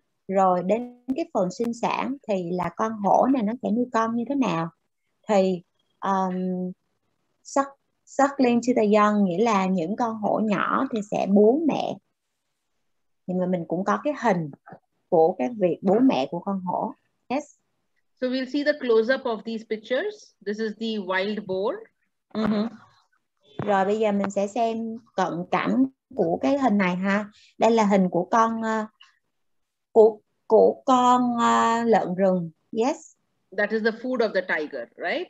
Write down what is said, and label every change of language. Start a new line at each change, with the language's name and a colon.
Vietnamese: Rồi đến cái phần sinh sản thì là con hổ này nó sẽ nuôi con như thế nào. Thì
English: suckling to the young
Vietnamese: nghĩa là những con hổ nhỏ thì sẽ bú mẹ. Nhưng mà mình cũng có cái hình của cái việc bú mẹ của con hổ.
English: Yes. So we'll see the close up of these pictures. This is the wild boar.
Vietnamese: Rồi bây giờ mình sẽ xem cận cảnh của cái hình này ha. Đây là hình của con của con lợn rừng.
English: Yes. That is the food of the tiger, right?